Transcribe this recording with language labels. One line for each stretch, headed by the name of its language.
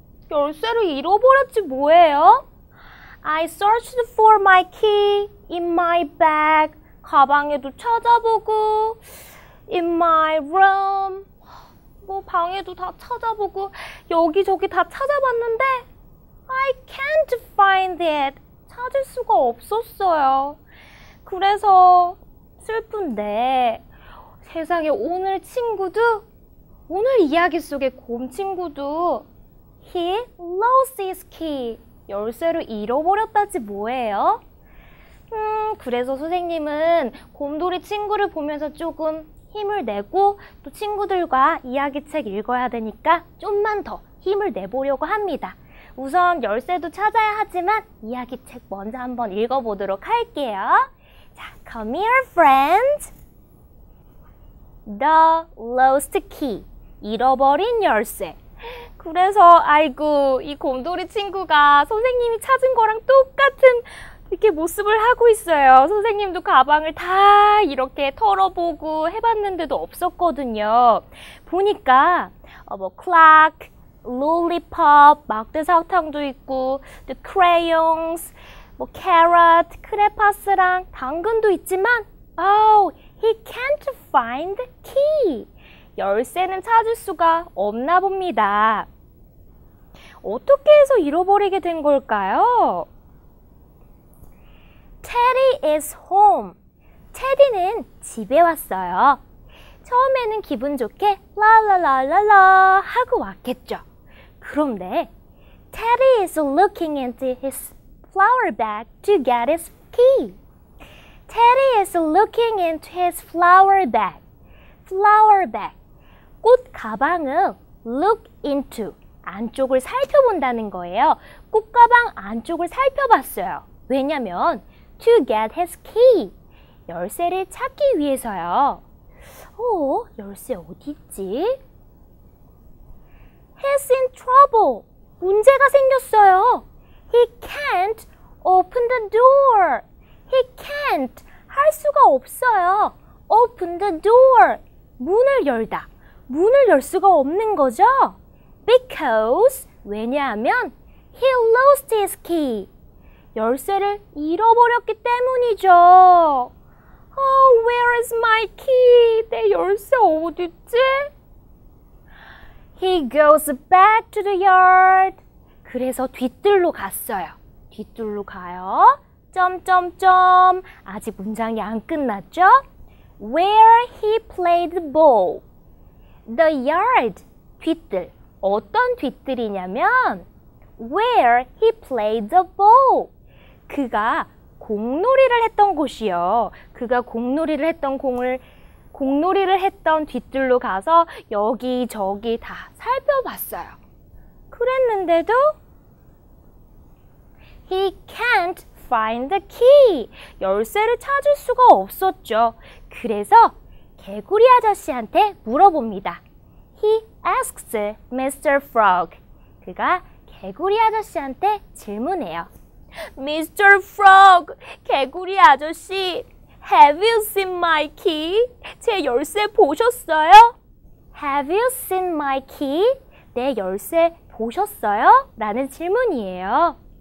Korean: 열쇠를 잃어버렸지 뭐예요?
English: I searched for my key in my bag.
Korean: 가방에도 찾아보고,
English: in my room.
Korean: 뭐 방에도 다 찾아보고 여기저기 다 찾아봤는데
English: I can't find it.
Korean: 찾을 수가 없었어요. 그래서 슬픈데 세상에 오늘 친구도 오늘 이야기 속의 곰 친구도
English: He lost his key.
Korean: 열쇠를 잃어버렸다지 뭐예요? 그래서 선생님은 곰돌이 친구를 보면서 조금 힘을 내고 또 친구들과 이야기책 읽어야 되니까 좀만 더 힘을 내보려고 합니다. 우선 열쇠도 찾아야 하지만 이야기책 먼저 한번 읽어보도록 할게요.
English: 자, come here, friend. The lost key.
Korean: 잃어버린 열쇠. 그래서 아이고, 이 곰돌이 친구가 선생님이 찾은 거랑 똑같은 이렇게 모습을 하고 있어요. 선생님도 가방을 다 이렇게 털어보고 해봤는데도 없었거든요. 보니까 뭐
English: clock, lollipop,
Korean: 막대사탕도 있고
English: the crayons, 뭐 carrot,
Korean: 크레파스랑 당근도 있지만
English: oh, he can't find the key.
Korean: 열쇠는 찾을 수가 없나 봅니다. 어떻게 해서 잃어버리게 된 걸까요?
English: Teddy is home.
Korean: 테디는 집에 왔어요. 처음에는 기분 좋게 라라라라라 하고 왔겠죠. 그런데
English: Teddy is looking into his flower bag to get his key. Teddy is looking into his flower bag. Flower bag.
Korean: 꽃 가방을
English: look into
Korean: 안쪽을 살펴본다는 거예요. 꽃 가방 안쪽을 살펴봤어요. 왜냐면
English: To get his key.
Korean: 열쇠를 찾기 위해서요. 오, 열쇠 어디 있지?
English: He's in trouble.
Korean: 문제가 생겼어요.
English: He can't open the door. He can't.
Korean: 할 수가 없어요.
English: Open the door.
Korean: 문을 열다. 문을 열 수가 없는 거죠.
English: Because,
Korean: 왜냐하면,
English: he lost his key.
Korean: 열쇠를 잃어버렸기 때문이죠.
English: Oh, where is my key?
Korean: 내 열쇠 어딨지?
English: He goes back to the yard.
Korean: 그래서 뒤뜰로 갔어요. 뒤뜰로 가요. 점점점. 아직 문장이 안 끝났죠?
English: Where he played the ball. The yard. 뒤뜰.
Korean: 어떤 뒤뜰이냐면
English: Where he played the ball.
Korean: 그가 공놀이를 했던 곳이요. 그가 공놀이를 했던 공을 공놀이를 했던 뒤뜰로 가서 여기저기 다 살펴봤어요. 그랬는데도
English: He can't find the key.
Korean: 열쇠를 찾을 수가 없었죠. 그래서 개구리 아저씨한테 물어봅니다.
English: He asks Mr. Frog.
Korean: 그가 개구리 아저씨한테 질문해요.
English: Mr. Frog,
Korean: 개구리 아저씨,
English: Have you seen my key?
Korean: 제 열쇠 보셨어요?
English: Have you seen my key?
Korean: 내 열쇠 보셨어요? 라는 질문이에요.